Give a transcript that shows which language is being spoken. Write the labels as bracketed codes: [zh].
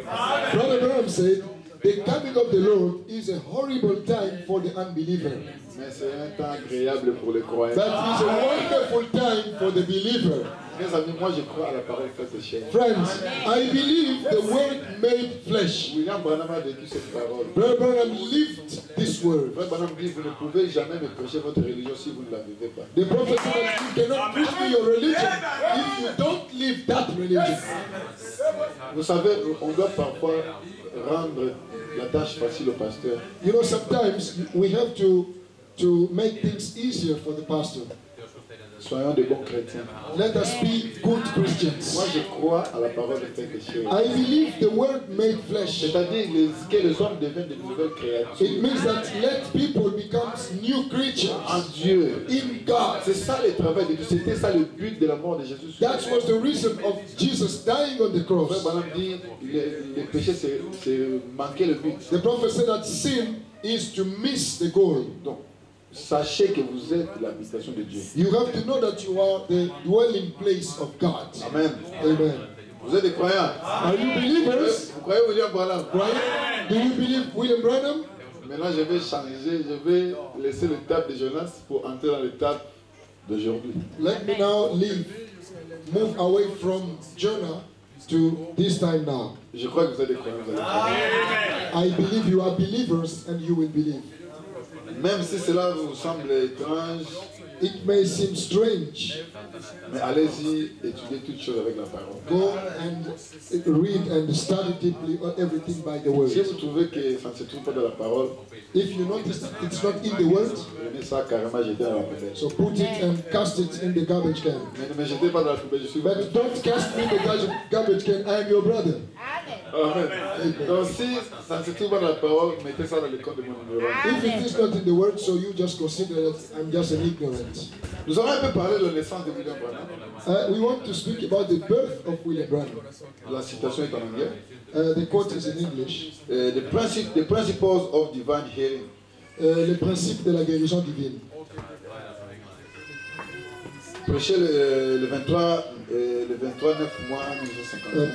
[en] Brother Branham said, the coming of the Lord is a horrible time for the unbeliever. [fr] Mais c'est un temps agréable pour le croyant. [en] That is a wonderful time for the believer. [fr] Mes amis, moi je crois à la parole faite chair. [en] Friends, I believe the word made flesh. [fr] William Branham a vécu cette parole. [en] Brother Branham lived this word. [fr] Brother Branham dit, vous ne pouvez jamais me prêcher votre religion si vous ne la vivez pas. [en] The prophet said that you cannot preach me your religion if you don't live that religion. [fr] Vous savez, on doit parfois rendre la tâche facile au pasteur. [en] You know, sometimes we have to make things easier for the pastor. [fr] Soyons des bons chrétiens. [en] Let us be good Christians. [fr] Moi, je crois à la parole de Dieu. [en] I believe the word made flesh. [fr] C'est-à-dire que les hommes deviennent de nouvelles créatures. [en] It means that let people become new creatures. [fr] En Dieu. [en] In God. [fr] C'est ça le travail de Dieu. C'était ça le but de la mort de Jésus. [en] That was the reason of Jesus dying on the cross. [fr] Le prophète dit le péché c'est manquer le but. [en] The prophet said that sin is to miss the goal. [fr] Donc, sachez que vous êtes l'habitation de Dieu. [en] You have to know that you are the dwelling place of God. Amen. Amen. [fr] Vous êtes des croyants. [en] Are you believers? [fr] Vous croyez William Branham? [en] Right? Do you believe William Branham? [fr] Maintenant, je vais changer. Je vais laisser l'étape de Jonas pour entrer dans l'étape d'aujourd'hui. [en] Let me now leave, move away from Jonah to this time now. [fr] Je crois que vous êtes des croyants. Vous êtes des [en] croyants. I believe you are believers and you will believe. [fr] Même si cela vous semble étrange, [en] it may seem strange, [fr] mais allez-y, étudiez toutes choses avec la parole. [en] Go and read and study deeply everything by the word. [fr] Si vous trouvez que ça ne se trouve pas dans la parole, [en] if you notice it's not in the word, [fr] prenez ça carrément, jetez dans la poubelle. [en] So put it and cast it in the garbage can. [fr] Mais jetez pas dans la poubelle, je suis. [en] But don't cast me in the garbage can. I am your brother. Amen. [fr] Donc si ça ne se trouve pas dans la parole, mettez ça dans le code de mon ignorance. [en] If it is not in the word, so you just consider that I'm just an ignorant. [fr] Nous allons un peu parler de la naissance de William Branham. [en] We want to speak about the birth of William Branham. [fr] La citation est en anglais. [en] The quote is in English. The principles of divine healing. [fr] Les principes de la guérison divine. Prêché le 23 9 mois 1951.